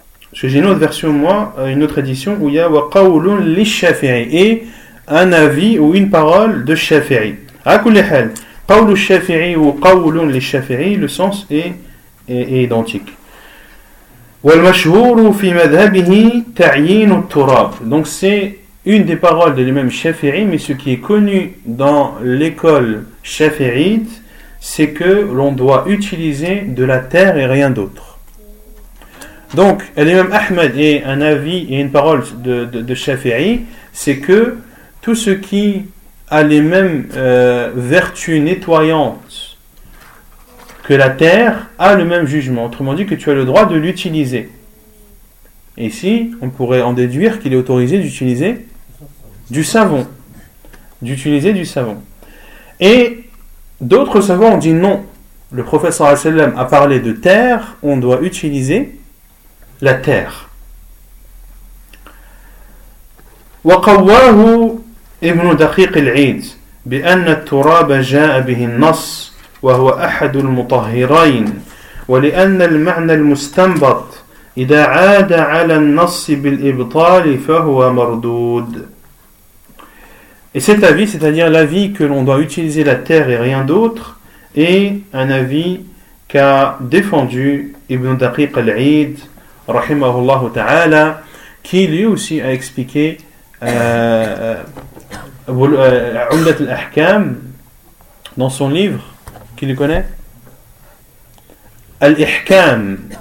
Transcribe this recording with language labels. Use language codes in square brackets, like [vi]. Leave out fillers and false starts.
[fr] Parce que j'ai une autre version, moi, une autre édition où il y a waqaulun les shafi'i. Et un avis ou une parole de shafi'i. [ar] A kulli hal, qawlu shafi'i ou qawlun les shafi'i, [fr] le sens est identique. [ar] والمشهور في مذهبه تعيين التراب. [fr] Donc c'est une des paroles de l'imam Shafi'i, mais ce qui est connu dans l'école Shafi'ite, c'est que l'on doit utiliser de la terre et rien d'autre. Donc l'imam Ahmed est un avis et une parole de Shafi'i, c'est que tout ce qui a les mêmes vertus nettoyantes que la terre a le même jugement. Autrement dit, que tu as le droit de l'utiliser. Ici, on pourrait en déduire qu'il est autorisé d'utiliser du savon. D'utiliser du savon. Et d'autres savants ont dit non. Le professeur Hassellem a parlé de terre, on doit utiliser la terre. [ar] Wa qawwahu ibn Daqiq al-Eid bi anna at-turab ja'a bihi an-nass وهو أحد المطهرين ولأن المعنى المستنبط إذا عاد على النص بالإبطال فهو مردود. [fr] Et cet avis, c'est-à-dire l'avis que l'on doit utiliser la terre et rien d'autre, est un avis qu'a défendu Ibn Daqiq al-Eid rahimahullah ta'ala, qui lui aussi a expliqué Umdat al-Ahkam dans son livre. Qui le connaît? Al-Ihkam.